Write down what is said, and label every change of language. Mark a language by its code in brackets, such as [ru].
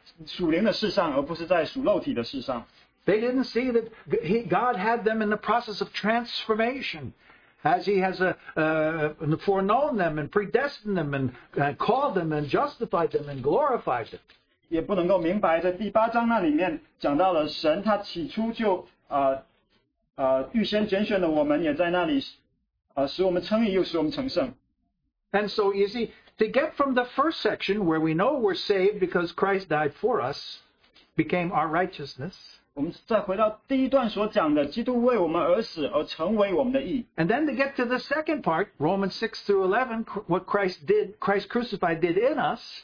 [zh] 所以他们也不能够明白在罗马书八章里面的自由,就是讲到我们是注意在属灵的事上,而不是在属肉体的事上. [en] They didn't see that God had them in the process of transformation. As he has foreknown them and predestined them and called them and justified them and glorified them. [zh] 也不能够明白在第八章那里面讲到了神他起初就预先拣选了我们也在那里使我们称义又使我们成圣. [en] And so you see, to get from the first section where we know we're saved because Christ died for us, became our righteousness. [zh] 我们再回到第一段所讲的基督为我们而死而成为我们的义. [en] And then to get to the second part, Romans 6 through 11, what Christ crucified did in us.